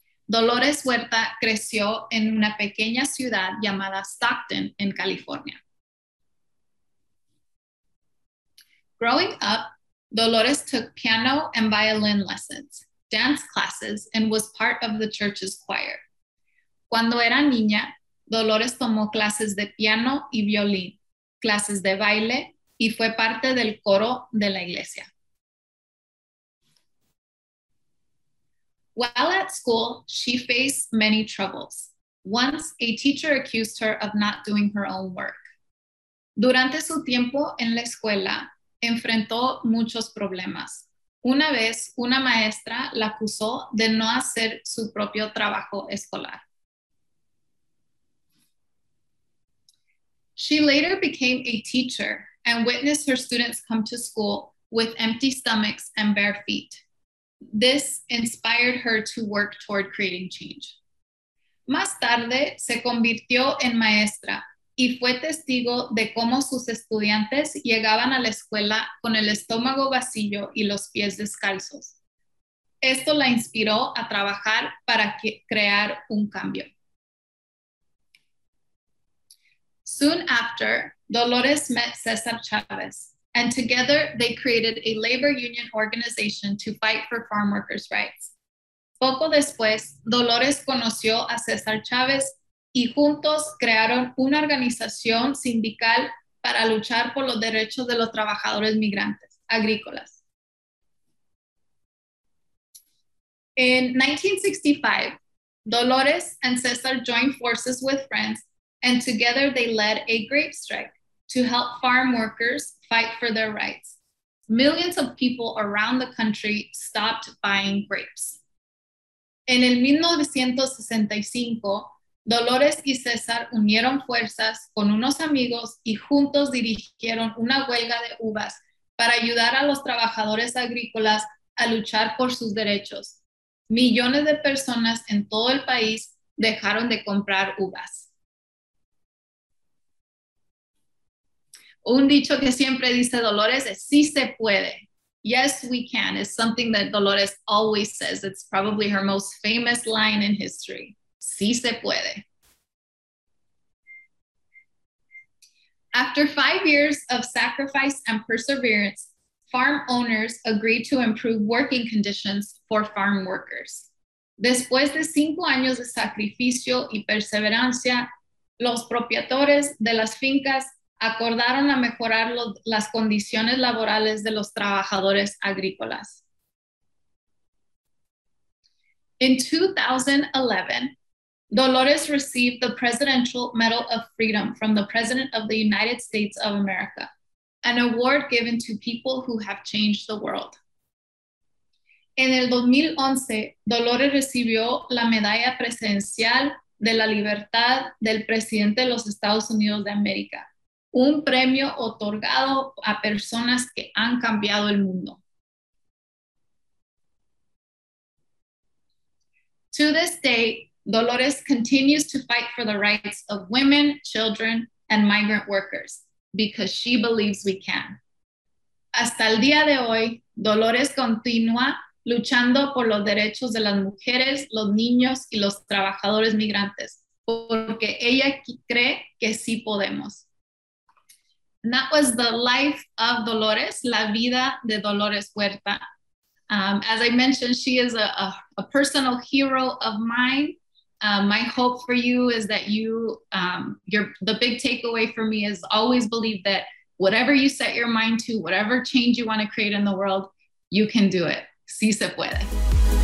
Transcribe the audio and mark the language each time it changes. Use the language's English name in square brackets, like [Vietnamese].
[Spanish] Dolores Huerta creció en una pequeña ciudad llamada Stockton en California. [English] Growing up, Dolores took piano and violin lessons, dance classes, and was part of the church's choir. [Spanish] Cuando era niña, Dolores tomó clases de piano y violín, clases de baile, y fue parte del coro de la iglesia. [English] While at school, she faced many troubles. Once, a teacher accused her of not doing her own work. [Spanish] Durante su tiempo en la escuela, enfrentó muchos problemas. Una vez, una maestra la acusó de no hacer su propio trabajo escolar. [English] She later became a teacher and witnessed her students come to school with empty stomachs and bare feet. This inspired her to work toward creating change. [Spanish] Más tarde, se convirtió en maestra y fue testigo de cómo sus estudiantes llegaban a la escuela con el estómago vacío y los pies descalzos. Esto la inspiró a trabajar para crear un cambio. [English] Soon after, Dolores met Cesar Chavez, and together they created a labor union organization to fight for farm workers' rights. [Spanish] Poco después, Dolores conoció a Cesar Chavez y juntos crearon una organización sindical para luchar por los derechos de los trabajadores migrantes agrícolas. [English] In 1965, Dolores and Cesar joined forces with friends, and together they led a grape strike to help farm workers fight for their rights. Millions of people around the country stopped buying grapes. [Spanish] En el 1965, Dolores y César unieron fuerzas con unos amigos y juntos dirigieron una huelga de uvas para ayudar a los trabajadores agrícolas a luchar por sus derechos. Millones de personas en todo el país dejaron de comprar uvas. Un dicho que siempre dice Dolores es, sí se puede. [English] Yes, we can, is something that Dolores always says. It's probably her most famous line in history. [Spanish] Sí se puede. [English] After 5 years of sacrifice and perseverance, farm owners agreed to improve working conditions for farm workers. [Spanish] Después de 5 años de sacrificio y perseverancia, los propietarios de las fincas acordaron a mejorar las condiciones laborales de los trabajadores agrícolas. [English] In 2011, Dolores received the Presidential Medal of Freedom from the President of the United States of America, an award given to people who have changed the world. [Spanish] En el 2011, Dolores recibió la Medalla Presidencial de la Libertad del Presidente de los Estados Unidos de América, un premio otorgado a personas que han cambiado el mundo. [English] To this day, Dolores continues to fight for the rights of women, children, and migrant workers because she believes we can. [Spanish] Hasta el día de hoy, Dolores continúa luchando por los derechos de las mujeres, los niños, y los trabajadores migrantes porque ella cree que sí podemos. [English] And that was The Life of Dolores, La Vida de Dolores Huerta. As I mentioned, she is a personal hero of mine. My hope for you is that you, the big takeaway for me is always believe that whatever you set your mind to, whatever change you want to create in the world, you can do it. [Spanish] Si se puede.